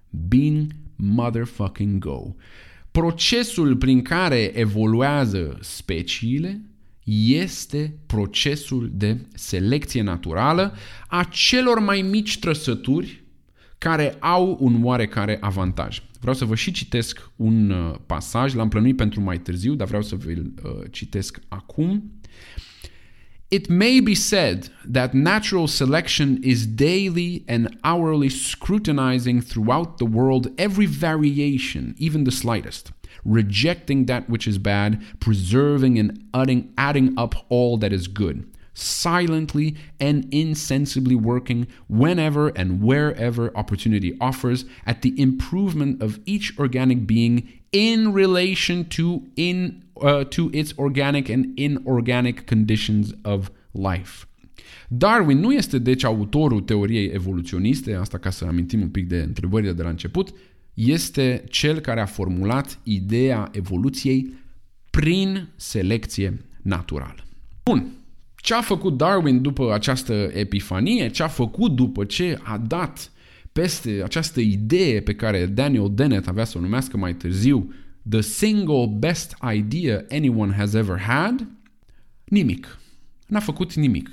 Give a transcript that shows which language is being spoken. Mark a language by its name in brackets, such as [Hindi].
[English] Bing, motherfucking go. [Romanian] Procesul prin care evoluează speciile este procesul de selecție naturală a celor mai mici trăsături care au un oarecare avantaj. Vreau să vă și citesc un pasaj, l-am plănuit pentru mai târziu, dar vreau să vă-l citesc acum. [English] It may be said that natural selection is daily and hourly scrutinizing throughout the world every variation, even the slightest, rejecting that which is bad, preserving and adding up all that is good, silently and insensibly working whenever and wherever opportunity offers at the improvement of each organic being in relation to its organic and inorganic conditions of life. [Romanian] Darwin nu este deci autorul teoriei evoluționiste, asta ca să amintim un pic de întrebările de la început, este cel care a formulat ideea evoluției prin selecție naturală. Bun. Ce a făcut Darwin după această epifanie? Ce a făcut după ce a dat peste această idee pe care Daniel Dennett avea să o numească mai târziu [English] the single best idea anyone has ever had? [Romanian] Nimic. N-a făcut nimic.